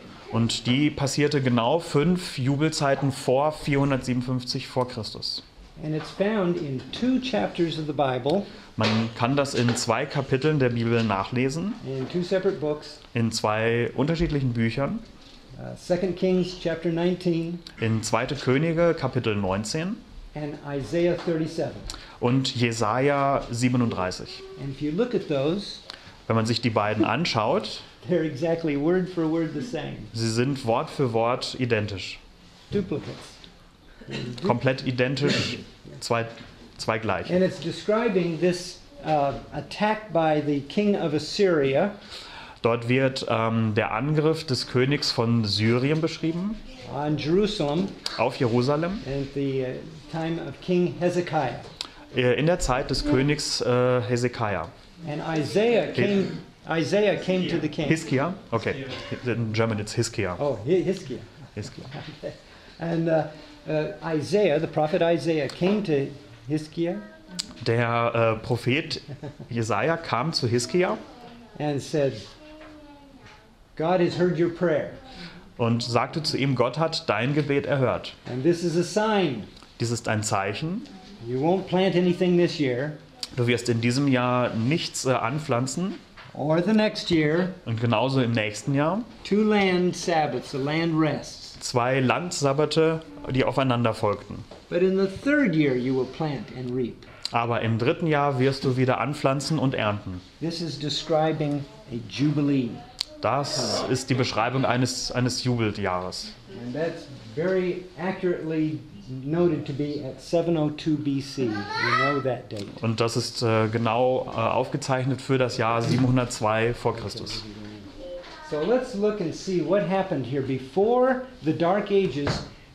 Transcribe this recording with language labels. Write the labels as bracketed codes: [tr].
[de] Und die passierte genau 5 Jubelzeiten vor 457 vor Christus. [en] And it's found in 2 chapters of the Bible. [de] Man kann das in 2 Kapiteln der Bibel nachlesen. [en] In 2 separate books. [de] In 2 unterschiedlichen Büchern. [en] 2 Kings chapter 19. [de] In 2. Könige Kapitel 19. [en] And Isaiah 37. [de] Und Jesaja 37. [en] And if you look at those, [de] wenn man sich die beiden anschaut, [en] they're exactly word for word the same. [de] Sie sind Wort für Wort identisch. [en] Duplicates. [de] Komplett identisch, zwei gleich. [en] And it's describing this attack by the king of Assyria. [de] Dort wird der Angriff des Königs von Syrien beschrieben. [en] On Jerusalem. [de] Auf Jerusalem. [en] And the time of King Hezekiah. [de] In der Zeit des Königs Hezekiah. [en] And Isaiah came to the king. Hiskia, okay. In German it's Hiskia. Oh, Hiskia. Hiskia. Okay. And Isaiah, the prophet Isaiah, came to Hiskia. [de] Der Prophet Jesaja kam zu Hiskia. [en] And said, God has heard your prayer. [de] Und sagte zu ihm, Gott hat dein Gebet erhört. [en] And this is a sign. [de] Dies ist ein Zeichen. [en] You won't plant anything this year. [de] Du wirst in diesem Jahr nichts anpflanzen. [en] Or the next year. [de] Und genauso im nächsten Jahr. [en] Two land sabbaths, the land rests. [de] 2 Landsabbate, die aufeinander folgten. [en] But in the third year you will plant and reap. [de] Aber im dritten Jahr wirst du wieder anpflanzen und ernten. [en] This is describing a jubilee. [de] Das ist die Beschreibung eines Jubeljahres. [en] And that's very accurately noted to be at 702 BC. We know that date. [de] Und das ist genau aufgezeichnet für das Jahr 702 vor Christus. [en] So let's look and see what happened here before the Dark Ages.